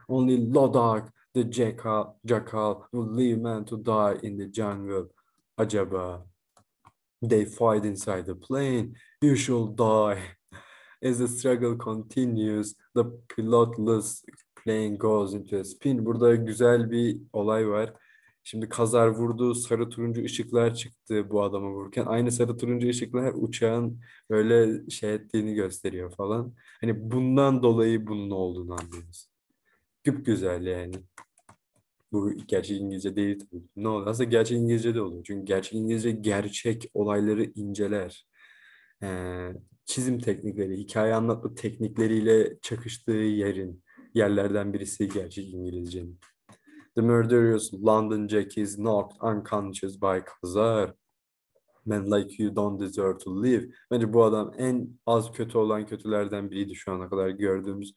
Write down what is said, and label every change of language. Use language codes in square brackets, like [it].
[en] Only Lodak, the jackal, will leave man to die in the jungle. [tr] Acaba. [en] They fight inside the plane. You shall die. As the struggle continues, the pilotless plane goes into a spin. [tr] Burada güzel bir olay var. Şimdi Khazar vurdu, sarı turuncu ışıklar çıktı bu adamı vururken. Aynı sarı turuncu ışıklar uçağın böyle şey ettiğini gösteriyor falan. Hani bundan dolayı bunun olduğunu anlıyoruz. Güpgüzel yani. Bu gerçek İngilizce değil tabii. Ne oluyor? Aslında gerçek İngilizce de oluyor. Çünkü gerçek İngilizce gerçek olayları inceler. Çizim teknikleri, hikaye anlatma teknikleriyle çakıştığı yerlerden birisi gerçek İngilizcenin. [en] The murderous London Jack is knocked unconscious by Khazar. Men like you don't deserve to live. [tr] Bence bu adam en az kötü olan kötülerden biriydi şu ana kadar gördüğümüz.